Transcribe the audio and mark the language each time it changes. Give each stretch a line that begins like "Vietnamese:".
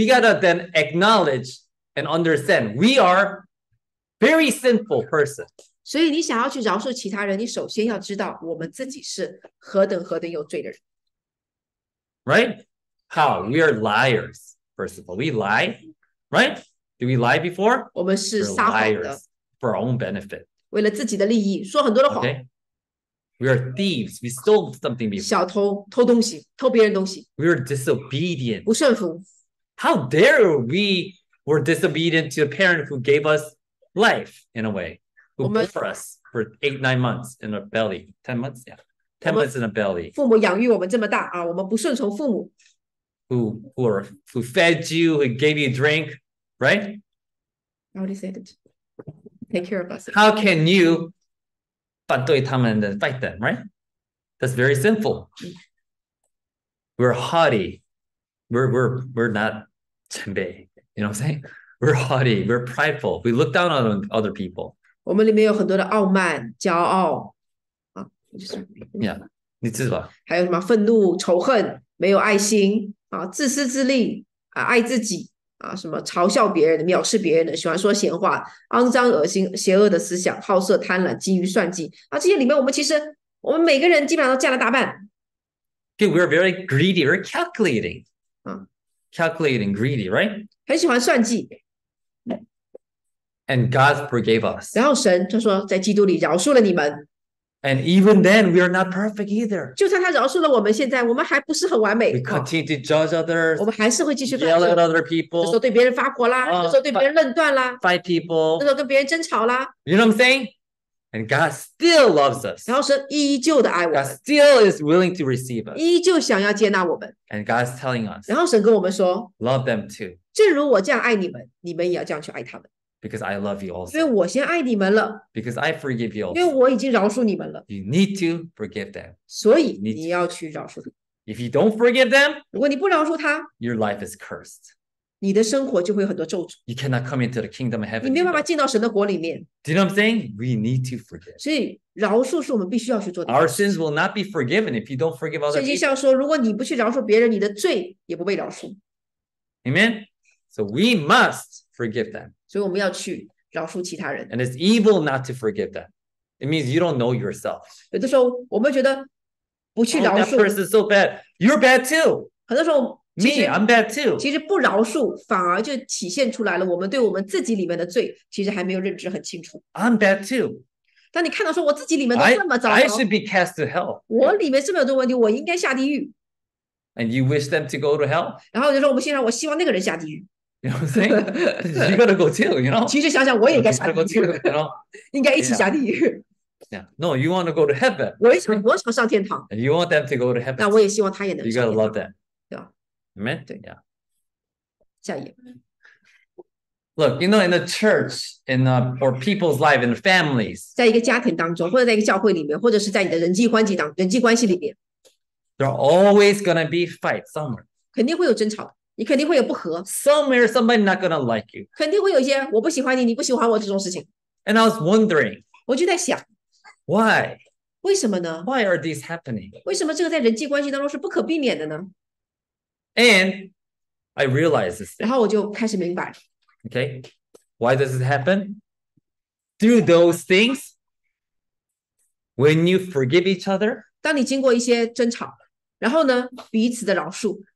English: We gotta then acknowledge and understand we are very sinful person.
Chinese: 所以你想要去饶恕其他人，你首先要知道我们自己是何等何等有罪的人。
English: Right? How? We are liars. First of all, we lie, right? Do we lie before?
Chinese: 我们是撒谎的。
English: We're liars for our own benefit.
Chinese: 为了自己的利益，说很多的谎。
English: Okay. We are thieves. We stole something before.
Chinese: 小偷，偷东西，偷别人东西。
English: We are disobedient.
Chinese: 不顺服。
English: How dare we were disobedient to a parent who gave us life in a way, who bore for us for 8-9 months in a belly, 10 months, yeah, 10 months in a belly.
Chinese: 父母养育我们这么大啊，我们不顺从父母。
English: Who fed you, who gave you drink, right? I already said it. Take care of us. How can you
Chinese: 反对他们的
English: fight them, right? That's very sinful. We're haughty. We're not 谦卑, you know what I'm saying? We're haughty, we're prideful. We look down on other people.
Chinese: 我们里面有很多的傲慢、骄傲。啊, yeah, 你知道吧？还有什么愤怒、仇恨、没有爱心。啊，自私自利啊，爱自己啊，什么嘲笑别人的、藐视别人的、喜欢说闲话、肮脏、恶心、邪恶的思想、好色、贪婪、精于算计啊，这些里面我们其实我们每个人基本上都占了大半。
English: Okay, we're very greedy, we're calculating. 啊，calculating, greedy, right?
Chinese: 很喜欢算计。
English: And God forgave us.
Chinese: 然后神就说，在基督里饶恕了你们。
English: And even then, we are not perfect either.
Chinese: 就算他饶恕了我们，现在我们还不是很完美。
English: We continue to judge others.
Chinese: 我们还是会继续
English: yell at other people.
Chinese: 那时候对别人发火啦，那时候对别人论断啦
English: ，fight people.
Chinese: 那时候跟别人争吵啦。
English: You know what I'm saying? And God still loves us.
Chinese: 然后神依旧的爱我们。
English: God still is willing to receive us.
Chinese: 依旧想要接纳我们。
English: And God's telling us.
Chinese: 然后神跟我们说
English: ，Love them too.
Chinese: 正如我这样爱你们，你们也要这样去爱他们。
English: Because I love you also.
Chinese: 因为我先爱你们了。
English: Because I forgive you also.
Chinese: 因为我已经饶恕你们了。
English: You need to forgive them.
Chinese: 所以你要去饶恕他。
English: If you don't forgive them,
Chinese: 如果你不饶恕他,
English: your life is cursed.
Chinese: 你的生活就会有很多咒诅。
English: You cannot come into the kingdom of heaven.
Chinese: 你没有办法进到神的国里面。
English: Do you know what I'm saying? We need to forgive.
Chinese: 所以饶恕是我们必须要去做的。
English: Our sins will not be forgiven if you don't forgive other people.
Chinese: 圣经说，如果你不去饶恕别人，你的罪也不被饶恕。
English: Amen? So we must forgive them.
Chinese: 所以我们要去饶恕其他人。
English: And it's evil not to forgive them. It means you don't know yourself.
Chinese: 有的时候我们觉得不去饶恕。
English: Oh, that person is so bad. You're bad too.
Chinese: 很多时候
English: Me, I'm bad too.
Chinese: 其实不饶恕反而就体现出来了我们对我们自己里面的罪其实还没有认知很清楚。
English: I'm bad too.
Chinese: 当你看到说我自己里面都这么糟糕。
English: I should be cast to hell.
Chinese: 我里面是没有这个问题我应该下地狱。
English: And you wish them to go to hell?
Chinese: 然后就说我们现在我希望那个人下地狱。
English: You know what I'm saying? You gotta go too, you know?
Chinese: 其实想想我也应该下地狱
English: you know?
Chinese: 应该一起下地狱
English: yeah. No, you want to go to heaven
Chinese: 我想上天堂
English: And you want them to go to heaven
Chinese: 那我也希望他也能上天堂
English: You gotta love them
Chinese: 对
English: Amen?
Chinese: 对
English: yeah.
Chinese: 下一页
English: Look, you know, in the church in the, or people's lives, in the families
Chinese: 在一个家庭当中或者在一个教会里面或者是在你的人际关系里面
English: There are always gonna be fights somewhere
Chinese: 肯定会有争吵你肯定会有不和。
English: Somewhere, somebody not gonna like you.
Chinese: 肯定会有一些我不喜欢你，你不喜欢我这种事情。
English: And I was wondering.
Chinese: 我就在想
English: ，Why?
Chinese: 为什么呢
English: ？Why are these happening?
Chinese: 为什么这个在人际关系当中是不可避免的呢
English: ？And I realized this.
Chinese: 然后我就开始明白。
English: Okay, why does it happen? Through those things, when you forgive each other.
Chinese: 当你经过一些争吵，然后呢，彼此的饶恕。